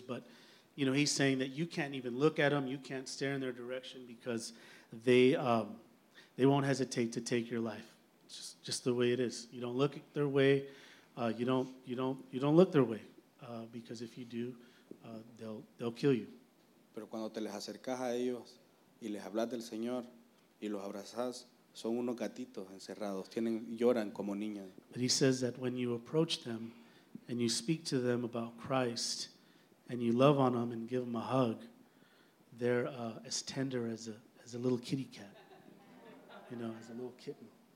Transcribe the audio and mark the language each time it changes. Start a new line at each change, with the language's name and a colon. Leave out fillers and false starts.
English: But, you know, he's saying that you can't even look at them, you can't stare in their direction, because they won't hesitate to take your life. Just the way it is. You don't look their way. You don't look their way, because if you do, they'll kill you.
Spanish: Pero cuando te les acercas a ellos y les hablas del Señor y los abrazas, son unos gatitos encerrados. Tienen lloran como niños.
English: But he says that when you approach them and you speak to them about Christ and you love on them and give them a hug, they're as tender as a little kitty cat, you know, as a little kitten.